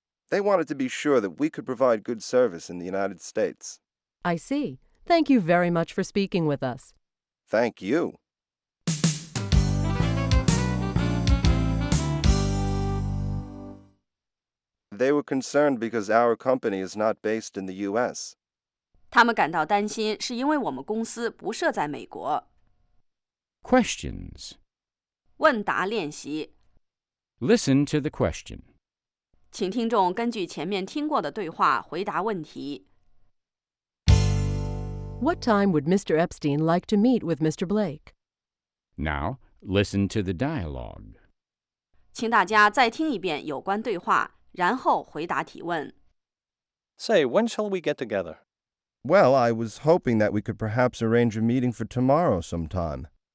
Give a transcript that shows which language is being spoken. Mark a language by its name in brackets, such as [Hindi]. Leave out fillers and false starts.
[English] They wanted to be sure that we could provide good service in the United States. I see. Thank you very much for speaking with us. Thank you. They were concerned because our company is not based in the U.S. [Chinese] 他们感到担心是因为我们公司不设在美国。 [English] Questions. [Chinese] 问答练习。 [English] Listen to the question. [Chinese] 请听众根据前面听过的对话回答问题。 [English] What time would Mr. Epstein like to meet with Mr. Blake? Now, listen to the dialogue. [Chinese] 请大家再听一遍有关对话。然后回答提问。 [English] Say, when shall we get together? Well, I was hoping that we could perhaps arrange a meeting for tomorrow sometime.